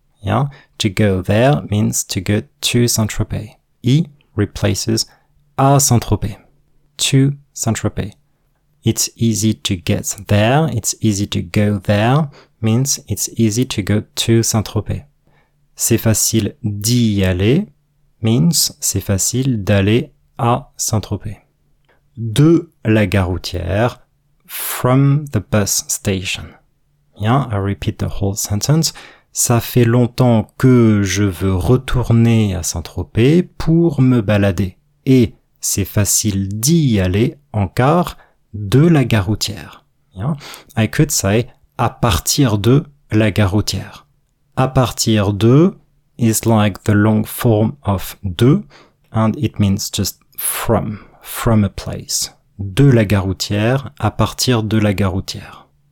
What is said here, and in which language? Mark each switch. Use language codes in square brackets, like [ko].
[en] Yeah, to go there means to go to Saint-Tropez. Y replaces à Saint-Tropez. To Saint-Tropez. It's easy to get there. It's easy to go there means it's easy to go to Saint-Tropez. [fr] C'est facile d'y aller [en] means [fr] c'est facile d'aller à Saint-Tropez. De la gare routière, [en] from the bus station. Yeah, I repeat the whole sentence. [fr] Ça fait longtemps que je veux retourner à Saint-Tropez pour me balader. Et c'est facile d'y aller en car de la gare routière. [en] Yeah. I could say [fr] à partir de la gare routière. [en] À partir de is like the long form of de, and it means just from a place. [fr] De la gare routière, à partir de la gare routière.